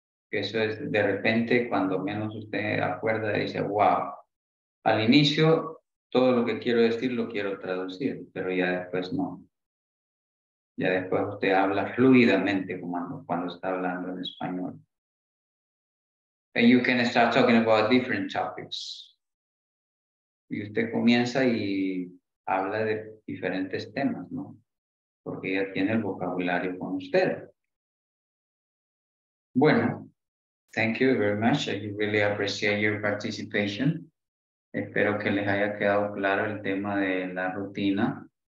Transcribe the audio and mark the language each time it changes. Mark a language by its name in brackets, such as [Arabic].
[Spanish] Eso es de repente cuando menos usted acuerda y dice, wow. Al inicio, todo lo que quiero decir lo quiero traducir, pero ya después no. Ya después usted habla fluidamente cuando está hablando en español. [English] And you can start talking about different topics. [Spanish] Y usted comienza y habla de diferentes temas, ¿no? Porque ya tiene el vocabulario con usted. [English] Bueno, thank you very much. I really appreciate your participation. [Spanish] Espero que les haya quedado claro el tema de la rutina.